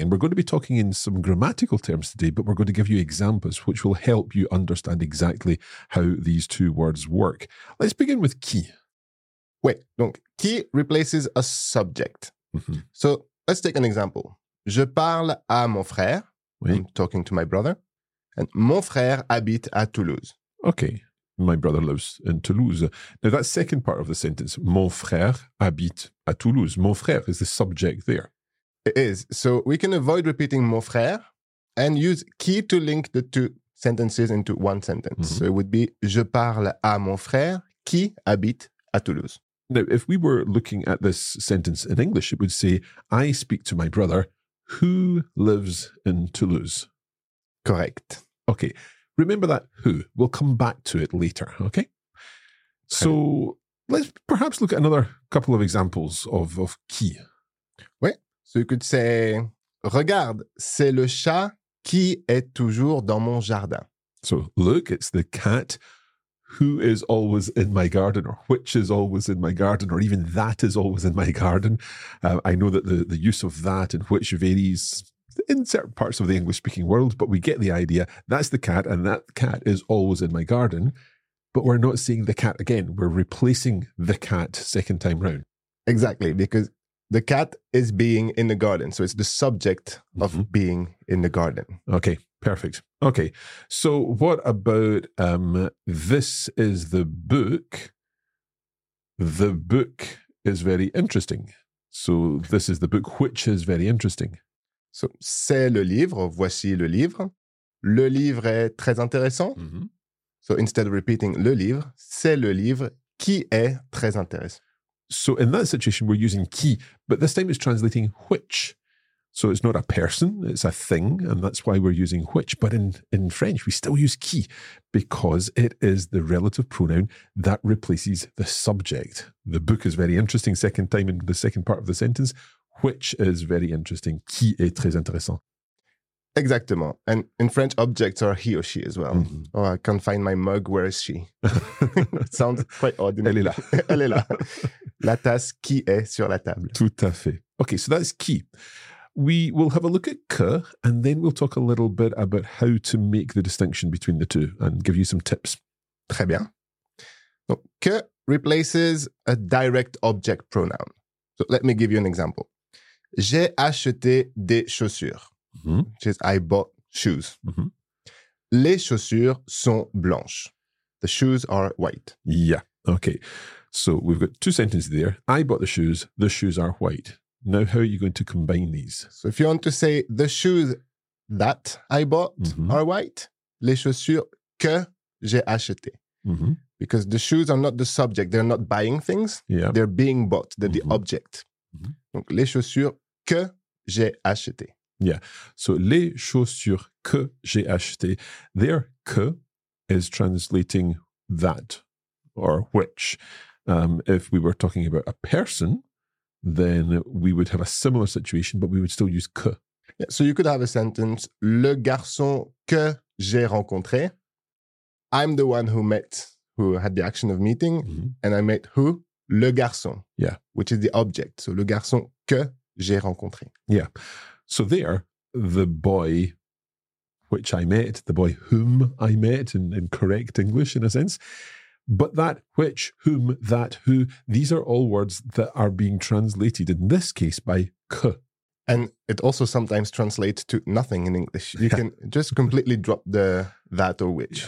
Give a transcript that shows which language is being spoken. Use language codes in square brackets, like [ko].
[en] And we're going to be talking in some grammatical terms today, but we're going to give you examples which will help you understand exactly how these two words work. Let's begin with qui. Wait, donc, qui replaces a subject. Mm-hmm. So let's take an example. [fr] Je parle à mon frère. Oui. [en] I'm talking to my brother. [fr] And mon frère habite à Toulouse. [en] Okay. My brother lives in Toulouse. Now, that second part of the sentence, [fr] mon frère habite à Toulouse. [en] Mon frère is the subject there. It is. So we can avoid repeating mon frère and use qui to link the two sentences into one sentence. [fr] Mm-hmm. [en] So it would be, [fr] je parle à mon frère qui habite à Toulouse. [en] Now, if we were looking at this sentence in English, it would say, I speak to my brother who lives in Toulouse. Correct. Okay. Remember that who. We'll come back to it later, okay? So let's perhaps look at another couple of examples of qui. [fr] Oui. [en] So you could say, [fr] regarde, c'est le chat qui est toujours dans mon jardin. [en] So look, it's the cat who is always in my garden, or which is always in my garden, or even that is always in my garden. I know that the use of that and which varies in certain parts of the English-speaking world, but we get the idea. That's the cat, and that cat is always in my garden. But we're not seeing the cat again. We're replacing the cat second time round. Exactly, because the cat is being in the garden. So it's the subject of being in the garden. Okay, perfect. Okay, so what about this is the book. The book is very interesting. So this is the book, which is very interesting. [fr] So, c'est le livre, voici le livre. Le livre est très intéressant. Mm-hmm. So, [en] instead of repeating [fr] le livre, c'est le livre qui est très intéressant. [en] So, in that situation, we're using qui, but this time it's translating which. So, it's not a person, it's a thing, and that's why we're using which. But in French, we still use qui, because it is the relative pronoun that replaces the subject. The book is very interesting, second time in the second part of the sentence. Which is very interesting. [fr] Qui est très intéressant. Exactement. [en] And in French, objects are he or she as well. Mm-hmm. Oh, I can't find my mug. Where is she? Sounds quite odd. [fr] Elle est là. Elle est là. La tasse qui est sur la table. Tout à fait. [en] Okay, so that's qui. We will have a look at que, and then we'll talk a little bit about how to make the distinction between the two and give you some tips. [fr] Très bien. Donc, [en] que replaces a direct object pronoun. So let me give you an example. [fr] J'ai acheté des chaussures. [en] Mm-hmm. Which is, I bought shoes. Mm-hmm. [fr] Les chaussures sont blanches. [en] The shoes are white. Yeah, okay. So we've got two sentences there. I bought the shoes. The shoes are white. Now, how are you going to combine these? So if you want to say the shoes that I bought mm-hmm. are white, [fr] les chaussures que j'ai achetées. Mm-hmm. [en] Because the shoes are not the subject. They're not buying things. Yeah. They're being bought. They're mm-hmm. the object. Mm-hmm. [fr] Donc, les chaussures que j'ai achetées. [en] Yeah. [fr] So, les chaussures que j'ai achetées. [en] There, que is translating that or which. If we were talking about a person, then we would have a similar situation, but we would still use que. Yeah, so, you could have a sentence. [fr] Le garçon que j'ai rencontré. [en] I'm the one who met, who had the action of meeting, mm-hmm. and I met who? Le garçon. Yeah. Which is the object. [fr] So, le garçon que j'ai rencontré. [en] Yeah. So there, the boy which I met, the boy whom I met in correct English in a sense, but that, which, whom, that, who, these are all words that are being translated in this case by que. And it also sometimes translates to nothing in English. You can just completely drop the that or which.